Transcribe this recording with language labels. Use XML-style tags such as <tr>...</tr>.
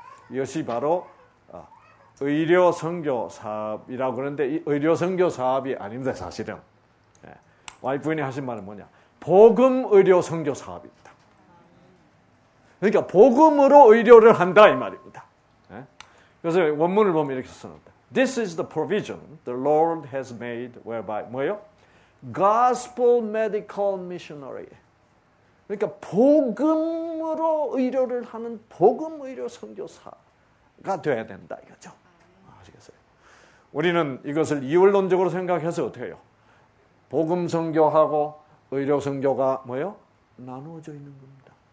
<ko>이것이 바로 의료선교사업이라고 그러는데 이 의료선교사업이 아닙니다. 사실은 와이프인이 하신 말은 뭐냐? 복음 의료선교사업입니다. 그러니까 복음으로 의료를 한다 이 말입니다. 그래서 원문을 보면 이렇게 써놓다.</ko> <en>This is the provision the Lord has made whereby</en> <ko>뭐예요?</ko> <en>Gospel medical missionary.</en> <ko>그러니까 복음으로 의료를 하는 복음 의료 선교사가 되어야 된다 이거죠. 아시겠어요? 우리는 이것을 이율론적으로 생각해서 어떻게 해요? 복음 선교하고 의료 선교가 뭐예요? 나누어져 있는 겁니다.</ko>